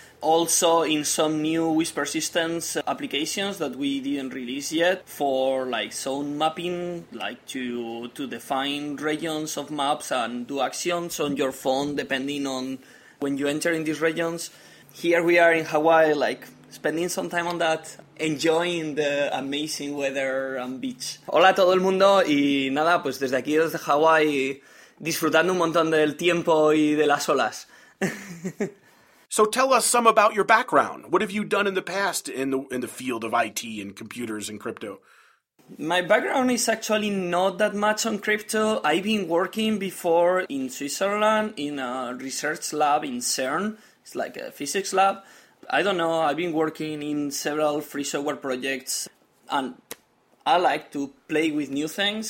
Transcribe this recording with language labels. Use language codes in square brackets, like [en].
[en] Also in some new Whisper Systems applications that we didn't release yet for like zone mapping, like to define regions of maps and do actions on your phone depending on when you enter in these regions. Here we are in Hawaii, like spending some time on that, enjoying the amazing weather and beach. [es] Hola a todo el mundo y nada, pues desde aquí, desde Hawaii, disfrutando un montón del tiempo y de las olas. [en] So tell us some about your background. What have you done in the past in the field of IT and computers and crypto? My background is actually not that much on crypto. I've been working before in Switzerland in a research lab in CERN. It's like a physics lab. I don't know. I've been working in several free software projects and I like to play with new things.